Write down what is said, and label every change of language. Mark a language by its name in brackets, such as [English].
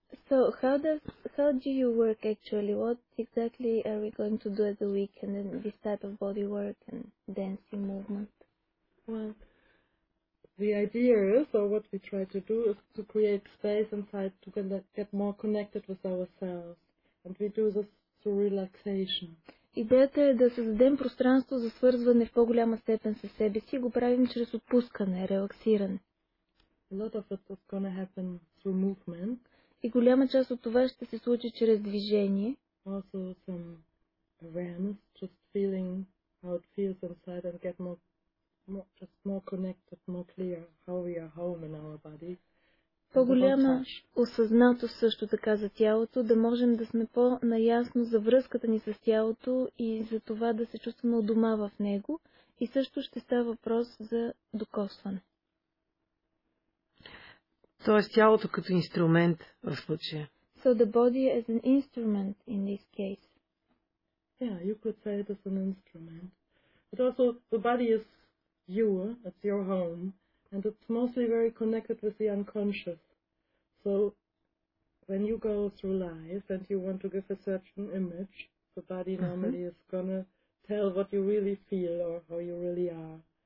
[English] So, how do you work actually? What exactly are we going to do at the weekend and this type of body work and dancing movement? Well, the idea is, or what we try to do, is to create space inside to get more connected with ourselves. And we do this through relaxation. [Bulgarian] Идеята е да създадем пространство за свързване в по-голяма степен със себе си и го правим чрез отпускане, релаксиране. [English] A lot of it is going to happen through movement. [Bulgarian] И голяма част от това ще се случи чрез движение. [English] Also some awareness, just feeling how it feels inside and get more connected, more clear how we are home in our body. [Bulgarian] По-голяма осъзнатост също така за тялото, да можем да сме по-наясно за връзката ни с тялото и за това да се чувстваме у дома в него. И също ще става въпрос за докосване. Тоест тялото като инструмент в случая. [English] So the body as an instrument in this case. Yeah, you could say it as an instrument. But also the body is you, it's your home, and it's mostly very connected with the unconscious. So, when you go through life and you want to give a certain image, the body normally is gonna tell what you really feel or how you really are.